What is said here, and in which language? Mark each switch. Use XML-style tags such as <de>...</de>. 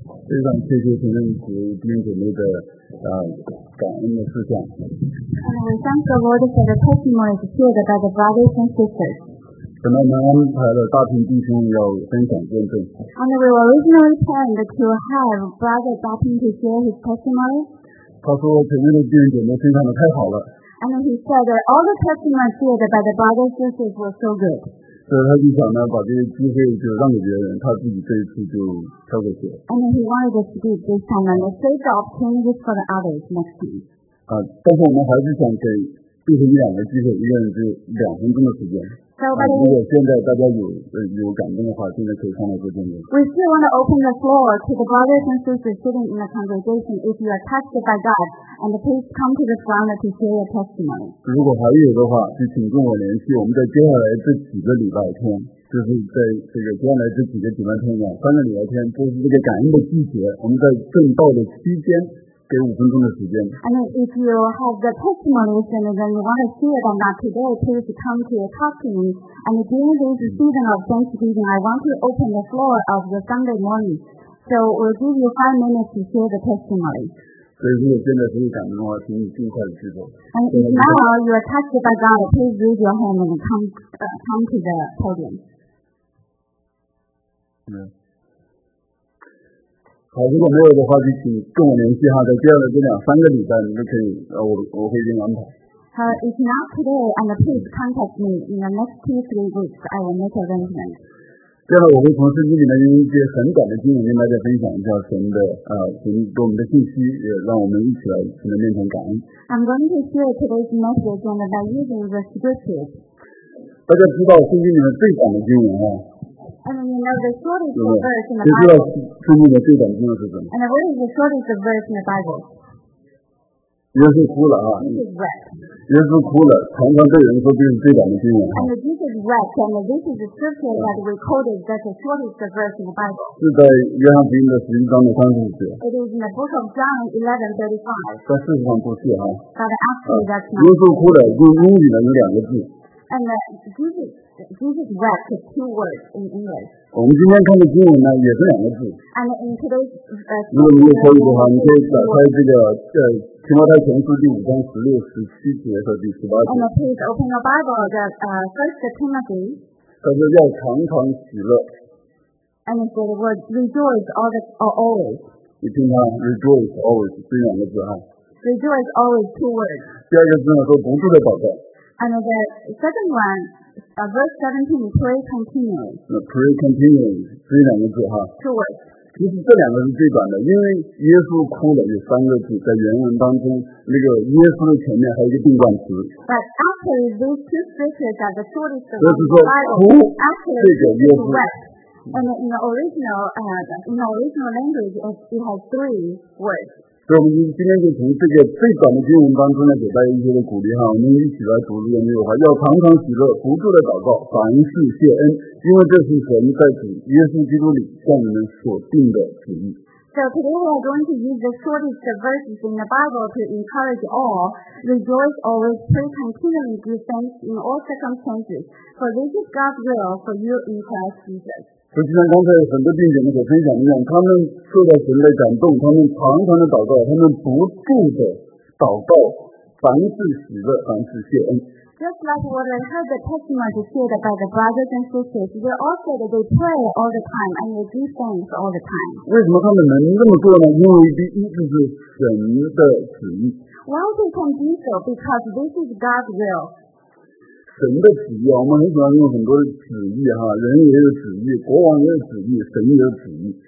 <zh>非常谢谢行政局弟兄姐妹的感恩的思想。</zh> <en>Thank the Lord for the testimonies shared by the brothers and sisters.</en> <zh>本来我们安排了大平弟兄要分享见证。</zh> <en>And we originally planned to have Brother Da Ping to share his testimony.</en> <zh>他说前面的弟兄姐妹分享的太好了。</zh> <en>And he said that all the testimonies shared by the brothers and sisters were so good.</en> <zh>所以他就想呢，把这些机会就让给别人，他自己这一次就跳过去了。</zh> <en>And he wanted to speak this time and save the opportunity for the others next time.</en> <zh>啊，但是我们还是想给弟兄两个机会，一个人就两分钟的时间。</zh> <en>So,</en> <zh>如果现在大家有感动的话，现在可以上来做见证。</zh> <en>We still want to open the floor to the brothers and sisters sitting in the congregation. If you are touched by God, and please come to the front to share your testimony.</en> <zh>如果还有的话，就请跟我联系。我们在接下来这几个礼拜天，就是在这个接下来这几个礼拜天呢，三个礼拜天都是这个感恩的季节。我们在正道的期间。给五分钟的时间。</zh> <en>And if you have the testimonies and then you want to share them now today, please come to talk to me. And during this season of Thanksgiving, I want to open the floor of the Sunday morning. So we'll give you 5 minutes to share the testimony.</en> <zh>所以如果现在是感动的话，请你尽快的去做。</zh> <en>And if now you are touched by God, please raise your hand and come to the podium. Yeah.</en> <zh>好，如果没有的话，就请跟我联系哈。在接下来这两三个礼拜，你都可以，我会给你安排。</zh> <en>If not today, and please contact me in the next 2-3 weeks, I will make arrangements.</en> <zh>接下来我会从圣经里面用一些很短的经文跟大家分享一下神的神给我们的信息，也让我们一起来神的面前感恩。</zh> <en>I'm going to share today's message and by using the scriptures.</en> <zh>大家知道圣经里面最短的经文啊。</zh> <en>And you know the shortest verse in the Bible. And what is the shortest verse in the Bible?</en> <zh>耶稣哭了啊！耶稣哭了，常常对人说这是最短的经文。</zh> <en>And this is wept, and this is the scripture that recorded that the shortest verse in the Bible.</en> <zh>是在约翰福音的十一章的三十五节。</zh> <en>It is in the book of John 11:35.</en> <zh>但事实上不是啊。</zh> <en>But actually, that's not.</en> <zh>耶稣哭了，用英语的那两个字。</zh> <en>And Jesus wept two words in English.</en> <zh>我们今天看的经文呢，也是两个字。</zh> <en>And in today's</en> <zh>如果你有口语的话，你可以打开这个提摩太前书第五章十六、十七节和第十八节。</zh> <en>And please open your Bible the first Timothy.</en> <zh>他说要常常喜乐。</zh> <en>And it said, "Well, rejoice all the or always."</en> <zh>你听啊 ，</zh> <en>rejoice always</en> <zh>这两个字啊。</zh> <en>Rejoice always two words.</en> <zh>第二个字呢，说不住的祷告。</zh> <en>And the second one, verse 17, pray continually. Pray continually</en> <zh>这两个字哈。</zh> <en>Two words.</en> <zh>其实这两个是最短的，因为耶稣哭了有三个字，在原文当中，那个耶稣的前面还有一个定冠词。</zh> <en>But actually, these two scriptures are the shortest of the Bible.</en> <zh>这是说哭，</zh> <en>actually,</en> <zh>这个耶稣。</zh> <en>And in the original, language, it has three words.</en> <zh>所以我们今天就从这个最短的经文当中呢，给大家一些的鼓励哈。我们一起来读这个内容哈，要常常喜乐，不住的祷告，凡事谢恩，因为这是神在主耶稣基督里向你们所定的旨意。</zh> <en>So today we are going to use the shortest verses in the Bible to encourage all. Rejoice always, pray continually, give thanks in all circumstances, for this is God's will for you in Christ Jesus.</en> <zh>就像刚才很多弟兄姐妹所分享的一样，他们受到神的感动，他们常常的祷告，他们不住的祷告，凡事喜乐，凡事谢恩。</zh> <en>Just like what I heard the testimony shared by the brothers and sisters, they all say that they pray all the time and they give thanks all the time.</en> <zh>为什么他们能这么做呢？因为第一就是神的旨意。</zh> <en>Why they can do so? Because this is God's will.</en> <zh>神的旨意，我们很喜欢用很多的旨意哈，人也有旨意，国王也有旨意，神也有旨意。</zh>